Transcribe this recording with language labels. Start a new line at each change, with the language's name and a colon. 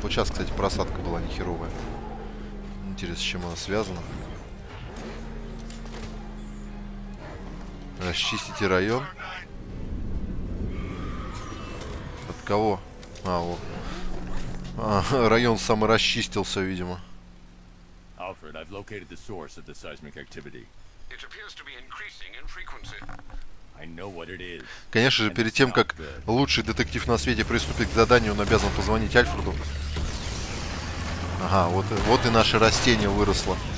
Russian: Вот сейчас, кстати, просадка была нехеровая. Интересно, с чем она связана. Расчистите район. От кого? А, вот. Район саморасчистился, видимо.
English: Alfred, I've located the source of the seismic activity. It appears to be increasing in frequency. I know what it is.
Russian: Конечно же, перед тем, как лучший детектив на свете приступит к заданию, он обязан позвонить Альфреду. Ага, вот, вот и наше растение выросло.